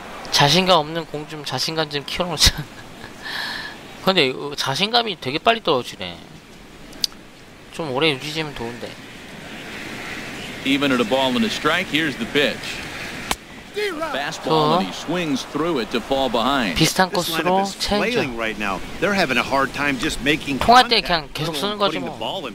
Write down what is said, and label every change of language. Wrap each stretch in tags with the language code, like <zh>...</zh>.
<ko>자신감 없는 공 좀 자신감 좀 키워놓자. 근데 자신감이 되게 빨리 떨어지네. 좀 오래 유지하면 좋은데.</ko> <en>Even at a ball and a strike, here's the pitch. Fastball and he swings through it to fall behind.</en> <ko>비슷한 코스로 체인저. 통할 때 그냥 계속 쓰는 거지 뭐.</ko>